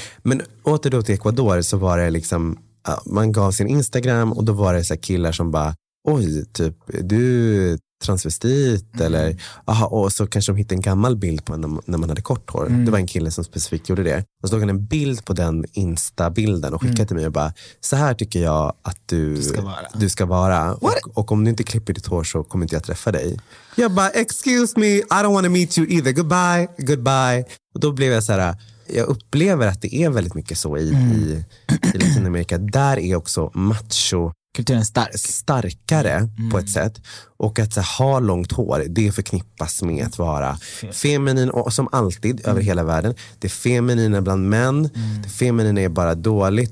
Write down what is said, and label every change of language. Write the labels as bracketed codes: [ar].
[sv] Men åter då till Ecuador, så var det liksom, man gav sin Instagram, och då var det så här killar som bara, oj, typ, du transvestit, eller aha, och så kanske de hittade en gammal bild på en när man hade kort hår. Det var en kille som specifikt gjorde det, och så tog han en bild på den Insta-bilden och skickade till mig och bara, så här tycker jag att du ska vara. Och om du inte klipper ditt hår, så kommer inte jag träffa dig. Jag bara, [en] excuse me, I don't want to meet you either, goodbye. [sv] Och då blev jag så här, jag upplever att det är väldigt mycket så i Latinamerika. Där är också macho kulturen starkare på ett sätt. Och att så här, ha långt hår, det förknippas med att vara feminin, och som alltid över hela världen, det feminina bland män, det feminina är bara dåligt.